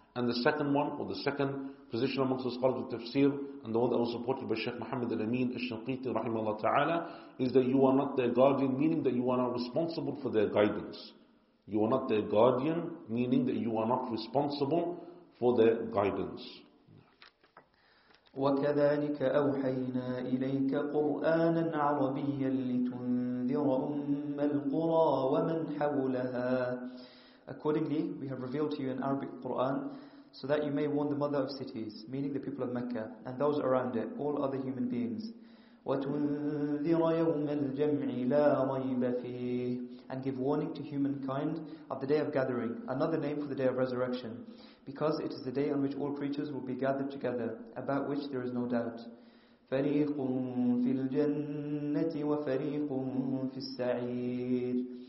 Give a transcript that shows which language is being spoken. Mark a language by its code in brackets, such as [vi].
[en] And the second one, or the second position amongst the scholars of tafsir, and the one that was supported by Sheikh Muhammad al-Amin al-Shaqiti rahimahullah ta'ala, is that you are not their guardian, meaning that you are not responsible for their guidance. You are not their guardian, meaning that you are not responsible for their guidance. [ar] وكذلك أوحينا إليك قرآنا عربيا لتنذر أم القرى ومن حولها. [en] Accordingly, we have revealed to you an Arabic Quran so that you may warn the mother of cities, meaning the people of Mecca, and those around it, all other human beings. [ar] وتنذر يوم الجمع لا ريب فيه. [en] And give warning to humankind of the day of gathering, another name for the day of resurrection, because it is the day on which all creatures will be gathered together, about which there is no doubt. [ar] فَرِيقٌ فِي الْجَنَّةِ وَفَرِيقٌ فِي السَّعِيرِ.